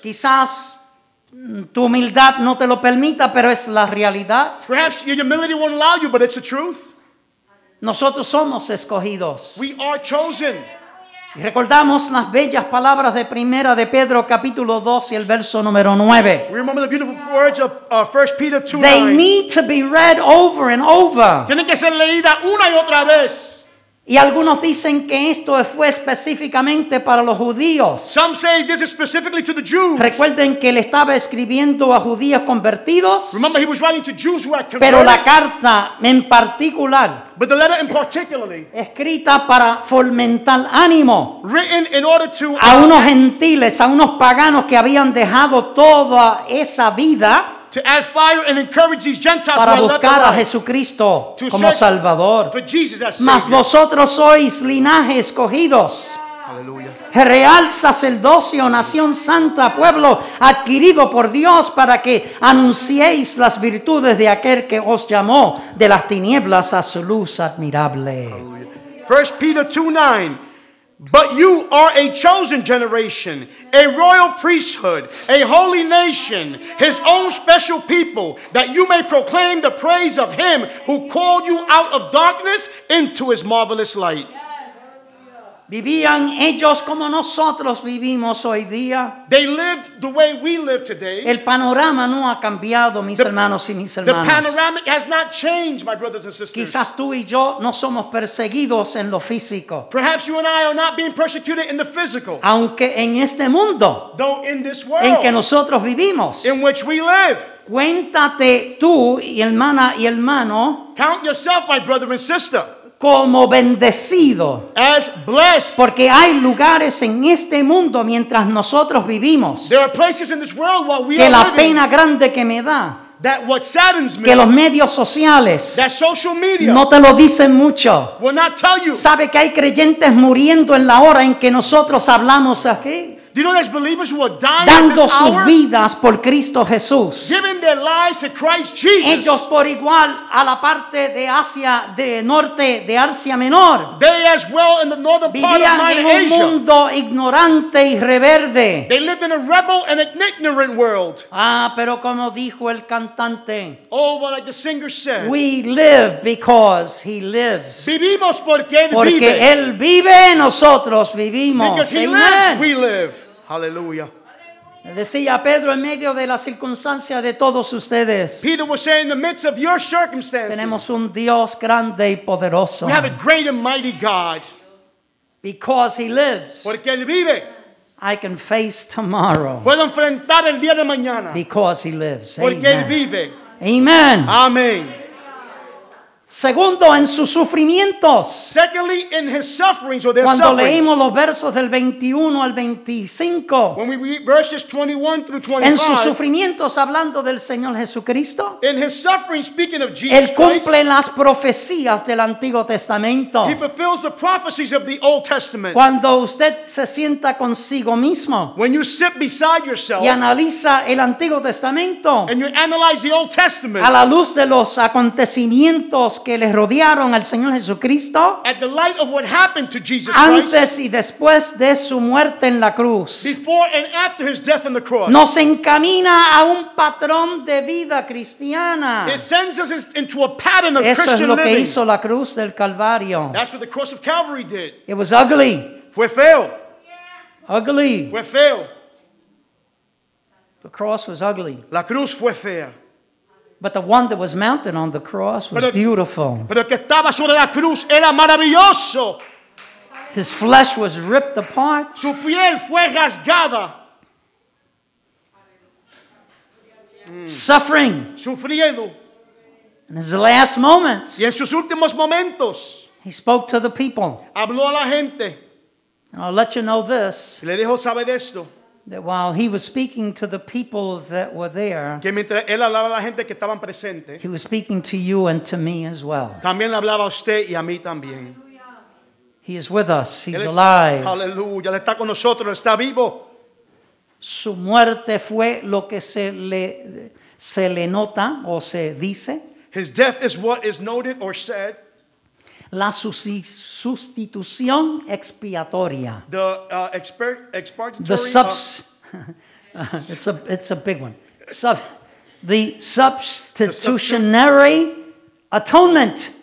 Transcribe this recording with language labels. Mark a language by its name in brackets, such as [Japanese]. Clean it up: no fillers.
[Spanish] Quizás tu humildad no te lo permita, pero es la realidad. [English] Perhaps your humility won't allow you, but it's the truth. [Spanish] Nosotros somos escogidos. [English] We are chosen. [Spanish] Y recordamos las bellas palabras de Primera de Pedro, capítulo 2 y el verso número 9. [English] We remember the beautiful words of 1 Peter 2:9. They need to be read over and over. [Spanish] Tienen que ser leídas una y otra vez. Y algunos dicen que esto fue específicamente para los judíos. [English] Some say this is specifically to the Jews. [Spanish] Recuerden que él estaba escribiendo a judíos convertidos. [English] Remember, he was writing to Jews who had converted. [Spanish] Pero la carta en particular. [English] But the letter in particular. [Spanish] Escrita para fomentar ánimo. [English] Written in order to. [Spanish] A unos gentiles, a unos paganos que habían dejado toda esa vida. [English] To add fire and encourage these Gentiles [Spanish] para buscar a Jesucristo como Salvador. [English] For Jesus as Savior. [Spanish] Mas vosotros sois linaje escogidos. Aleluya. Real sacerdocio, nación santa, pueblo adquirido por Dios para que anunciéis las virtudes de aquel que os llamó de las tinieblas a su luz admirable. [English] Aleluya. 1 Peter 2:9. But you are a chosen generation, a royal priesthood, a holy nation, his own special people, that you may proclaim the praise of him who called you out of darkness into his marvelous light. [Spanish] Vivían ellos como nosotros vivimos hoy día. [English] They lived the way we live today. [Spanish] El panorama no ha cambiado, mis hermanos y mis hermanas. [English] The panoramic has not changed, my brothers and sisters. [Spanish] Quizás tú y yo no somos perseguidos en lo físico. [English] Perhaps you and I are not being persecuted in the physical. [Spanish] Aunque en este mundo. [English] Though in this world. [Spanish] En que nosotros vivimos. [English] In which we live. [Spanish] Cuéntate tú, hermana y hermano. [English] Count yourself, my brother and sister. [Spanish] Como bendecido. [English] As blessed. [Spanish] Porque hay lugares en este mundo mientras nosotros vivimos. [English] There are places in this world while we [Spanish] que [English] are [Spanish] la [English] living, [Spanish] pena grande que me da. [English] That what saddens me, [Spanish] que los medios sociales. [English] That social media [Spanish] no te lo dicen mucho. [English] Will not tell you. [Spanish] Sabe que hay creyentes muriendo en la hora en que nosotros hablamos aquí. [English] Do you know there's believers who are dying [Spanish] dando [English] at this [Spanish] sus [English] hour, [Spanish] vidas por Cristo Jesús? [English] Giving their lives to Christ Jesus. [Spanish] Ellos por igual a la parte de Asia, de norte de Asia Menor. [English] They as well in the northern part of Minor Asia. [Spanish] Vivían en un mundo ignorante y reverde. [English] They lived in a rebel and an ignorant world. [Spanish] Ah, pero como dijo el cantante. [English] Oh, but like the singer said. We live because he lives. [Spanish] Vivimos porque él vive. Porque él vive, nosotros vivimos. [English] Because he Amen. Lives, we live. Aleluya. [Spanish] Decía Pedro en medio de las circunstancias de todos ustedes. [English] Peter was saying in the midst of your circumstances. [Spanish] Tenemos un Dios grande y poderoso. [English] We have a great and mighty God. Because he lives. [Spanish] Porque él vive. [English] I can face tomorrow. [Spanish] Puedo enfrentar el día de mañana. [English] Because he lives. [Spanish] Porque [English] Amen. [Spanish] Él vive. [English] Amen. [Spanish] Amén. Segundo, en sus sufrimientos. [English] Secondly, in his sufferings or their [Spanish] Cuando [English] sufferings. [Spanish] Leímos los versos del 21 al 25. [English] When we read verses 21 through 25. [Spanish] En sus sufrimientos, hablando del Señor Jesucristo. [English] In his suffering, speaking of Jesus [Spanish] Él cumple [English] Christ, [Spanish] las profecías del Antiguo Testamento. [English] He fulfills the prophecies of the Old Testament. [Spanish] Cuando usted se sienta consigo mismo. [English] When you sit beside yourself. [Spanish] Y analiza el Antiguo Testamento. [English] And you analyze the Old Testament. [Spanish] A la luz de los acontecimientos que le rodearon al Señor Jesucristo [English] at the light of what happened to Jesus Christ, [Spanish] antes y después de su muerte en la cruz, [English] before and after his death on the cross, [Spanish] nos encamina a un patrón de vida cristiana. [English] It sends us into a pattern of [Spanish] Eso [English] Christian [Spanish] es lo que [English] living. [Spanish] Hizo la cruz del Calvario. [English] That's what the cross of Calvary did. It was ugly. [Spanish] Fue feo. [English] Ugly. [Spanish] Fue feo. [English] The cross was ugly. [Spanish] La cruz fue fea. [English] But the one that was mounted on the cross was beautiful. [Spanish] Pero que estaba sobre la cruz era maravilloso. [English] His flesh was ripped apart. [Spanish] Su piel fue rasgada. [English] Suffering. [Spanish] Sufriendo. [English] In his last moments. [Spanish] Y en sus últimos momentos. [English] He spoke to the people. [Spanish] Habló a la gente. [English] And I'll let you know this. [Spanish] Y le dijo saber esto. [English] That while he was speaking to the people that were there, [Spanish] que mientras él hablaba a la gente que estaban presente, [English] he was speaking to you and to me as well. [Spanish] También hablaba a usted y a mí también. [English] He is with us. He's alive. [Spanish] Aleluya. Él está con nosotros. Está vivo. Su muerte fue lo que se le nota o se dice. [English] His death is what is noted or said. [Spanish] La sustitución expiatoria. [English] The expiatory. The it's a big one. The substitutionary atonement.